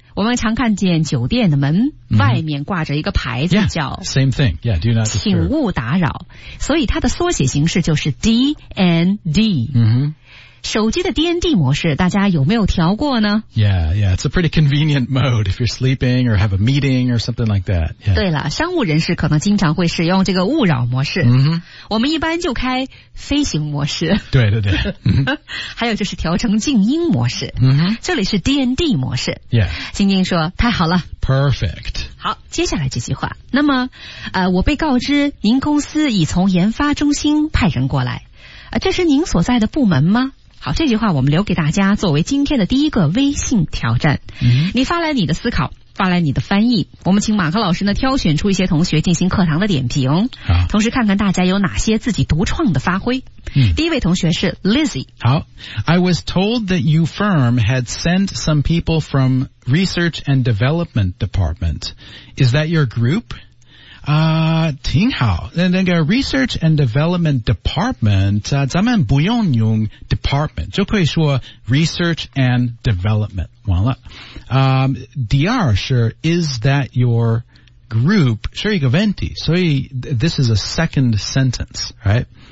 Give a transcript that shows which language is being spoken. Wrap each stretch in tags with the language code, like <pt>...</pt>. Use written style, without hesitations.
<zh>我们常看见酒店的门、外面挂着一个牌子叫</zh> <en>yeah, Same thing yeah, do not disturb.</en> <zh>请勿打扰所以它的缩写形式就是 DND、手机的 DND 模式大家有没有调过呢</zh> <en>Yeah, yeah, it's a pretty convenient mode if you're sleeping or have a meeting or something like that.、Yeah.</en> <zh>对了商务人士可能经常会使用这个勿扰模式、我们一般就开飞行模式。对对对。还有就是调成静音模式。这里是 DND 模式。</zh> <en>Yeah.</en> <zh>静静说太好了。</zh> <en>Perfect.</en> <zh>好接下来这句话。那么我被告知您公司已从研发中心派人过来。这是您所在的部门吗好这句话我们留给大家作为今天的第一个微信挑战、你发来你的思考发来你的翻译我们请马克老师呢挑选出一些同学进行课堂的点评同时看看大家有哪些自己独创的发挥、第一位同学是 Lizzie</zh> <en>好 I was told that you firm had sent some people from research and development department Is that your group?</en> <zh>挺好那个</zh> <en>research and development department、</en> <zh>咱们不用用 department 就可以说</zh> <en>research and development</en> <zh>完了、第二是</zh> <en>is that your group</en> <zh>是一个问题所以</zh> <en>this is a second sentence right、</en>